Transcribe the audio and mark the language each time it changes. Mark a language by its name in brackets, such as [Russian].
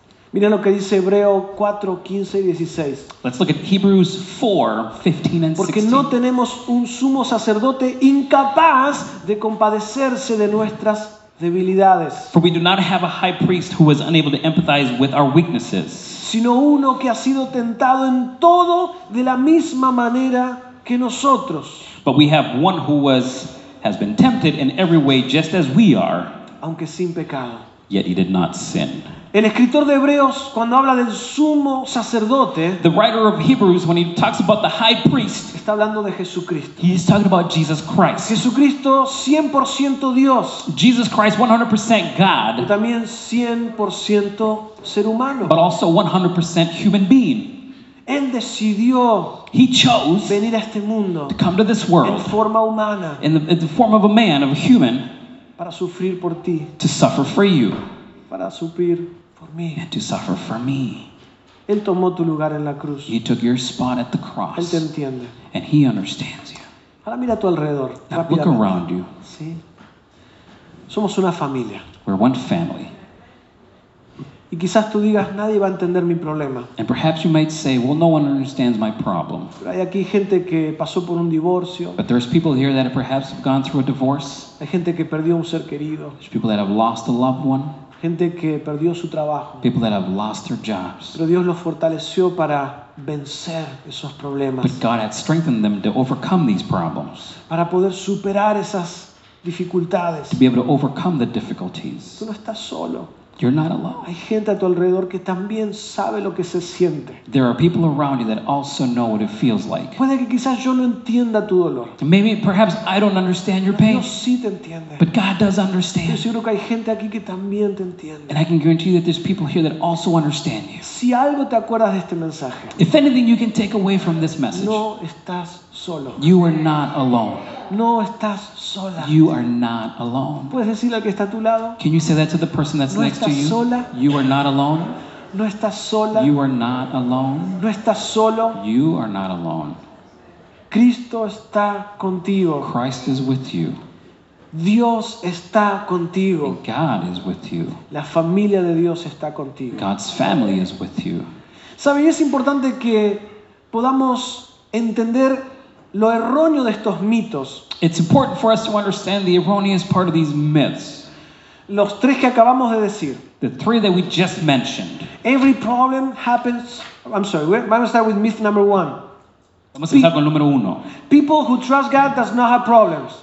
[Spanish] Mira lo que dice Hebreo 4, 15 y 16. [English] Let's look at Hebrews 4, 15 and 16. [Spanish] Porque no tenemos un sumo sacerdote incapaz de compadecerse de nuestras debilidades. [English] For we do not have a high priest who is unable to empathize with our weaknesses. [Spanish] Sino uno que ha sido tentado en todo de la misma manera que nosotros. [English] But we have one who has been tempted in every way just as we are. [Spanish] Aunque sin pecado. [English] Yet he did not sin. [Spanish] El escritor de Hebreos cuando habla del sumo sacerdote, [English] the writer of Hebrews when he talks about the high priest, [Spanish] está hablando de Jesucristo. [English] He's talking about Jesus Christ. [Spanish] Jesucristo 100% Dios. [English] Jesus Christ 100% God. [Spanish] Pero también 100% ser humano. [English] But also 100% human being. [Spanish] Él decidió [English] He chose [Spanish] venir a este mundo [English] to come to this world [Spanish] en forma humana. [English] In the form of a man, of a human, [Spanish] para sufrir por ti. [English] To suffer for you. [Spanish] Para sufrir por mí. [English] And to suffer for me. [Spanish] Él tomó tu lugar en la cruz. [English] He took your spot at the cross. [Spanish] Él te entiende. [English] And he understands you. [Spanish] Ahora mira a tu alrededor. [English] Now look around you. [Spanish] Sí. Somos una familia. [English] We're one family. [Spanish] Y quizás tú digas, nadie va a entender mi problema. [English] And perhaps you might say, well, no one understands my problem. [Spanish] Pero hay aquí gente que pasó por un divorcio. [English] But there's people here that perhaps have gone through a divorce. [Spanish] Hay gente que perdió un ser querido. [English] There's people that have lost a loved one. [Spanish] Gente que perdió su trabajo. [English] People that have lost their jobs. [Spanish] Pero Dios los fortaleció para vencer esos problemas. [English] But God had strengthened them to overcome these problems. [Spanish] Para poder superar esas dificultades. [English] To be able to overcome the difficulties. [Spanish] Tú no estás solo. [English] You're not alone. [Spanish] Hay gente a tu alrededor que también sabe lo que se siente. [English] There are people around you that also know what it feels like. [Spanish] Puede que quizás yo no entienda tu dolor. [English] Maybe perhaps I don't understand your pain. [Spanish] Dios sí te entiende. [English] But God does understand. [Spanish] Yo seguro que hay gente aquí que también te entiende. [English] And I can guarantee you that there's people here that also understand you. [Spanish] Si algo te acuerdas de este mensaje. [English] If anything you can take away from this message. [Spanish] No estás solo. [English] You are not alone. [Spanish] No estás sola. [English] You are not alone. [Spanish] ¿Puedes decirle al que está a tu lado? [English] Can you say that to the person that's [Spanish] no [English] next to you? [Spanish] Sola. [English] You are not alone. [Spanish] No estás sola. [English] You are not alone. [Spanish] No estás solo. [English] You are not alone. [Spanish] Cristo está contigo. [English] Christ is with you. [Spanish] Dios está contigo. [English] And God is with you. [Spanish] La familia de Dios está contigo. [English] God's family is with you. [Spanish] ¿Sabes? Es importante que podamos entender lo erróneo de estos mitos. [English] It's important for us to understand the erroneous part of these myths. [Spanish] Los tres que acabamos de decir. [English] The three that we just mentioned. Every problem happens. I'm sorry. Why don't we start with myth number one? [Spanish] Vamos a empezar con el número uno. [English] People who trust God does not have problems.